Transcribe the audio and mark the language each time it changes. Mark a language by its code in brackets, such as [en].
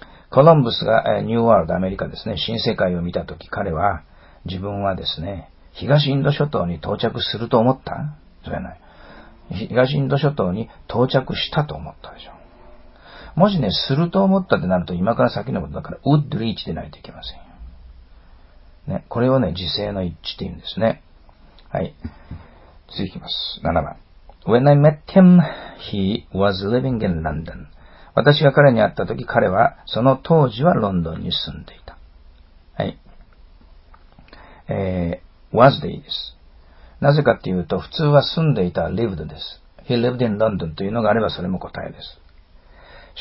[ja] コロンブスが、ニューワールド、アメリカですね、新世界を見た時、彼は、自分はですね、東インド諸島に到着すると思った？そうじゃない。東インド諸島に到着したと思ったでしょ。もしね、すると思ったってなると、今から先のことだから、would reach でないといけません。ね、これをね、時制の一致って言うんですね。はい。次いきます。7番。 [en] When I met him, he was living in London. [ja] 私が彼に会ったとき、彼はその当時はロンドンに住んでいた。はい。 was でいいです。なぜかっていうと、普通は住んでいた lived です。 [en] He lived in London [ja] というのがあればそれも答えです。